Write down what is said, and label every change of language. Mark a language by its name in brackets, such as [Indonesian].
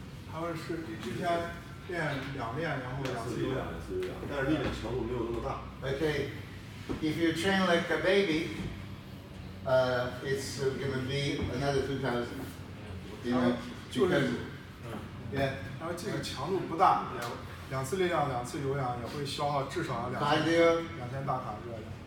[Chinese] 他们是一天练两练，然后两次有氧。但是力量强度没有那么大。 [English] OK, if you train like a baby, it's going to be another 2,000. You know, [Chinese] 就是, [English] yeah. [Chinese] 然后这个强度不大, 两次力量，两次有氧也会消耗至少两千大卡热量。